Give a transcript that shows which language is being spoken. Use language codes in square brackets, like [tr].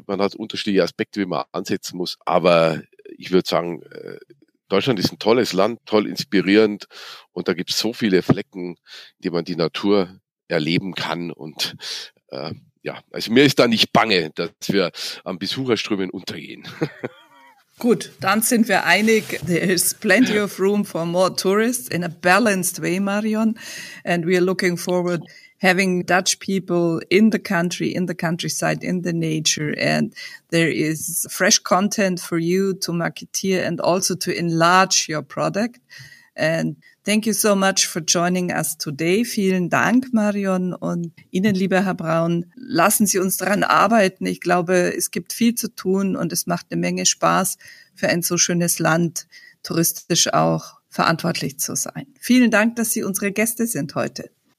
[de] Man hat unterschiedliche Aspekte, wie man ansetzen muss. Aber ich würde sagen, Deutschland ist ein tolles Land, toll inspirierend und da gibt es so viele Flecken, in denen man die Natur erleben kann und ja, also mir ist da nicht bange, dass wir am Besucherströmen untergehen. Gut, dann sind wir einig, [en] there is plenty of room for more tourists in a balanced way, Marion, and we are looking forward having Dutch people in the countryside, in the nature, and there is fresh content for you to marketeer and also to enlarge your product. And thank you so much for joining us today. [de] Vielen Dank, Marion, und Ihnen, lieber Herr Braun, lassen Sie uns daran arbeiten. Ich glaube, es gibt viel zu tun und es macht eine Menge Spaß, für ein so schönes Land touristisch auch verantwortlich zu sein. Vielen Dank, dass Sie unsere Gäste sind heute.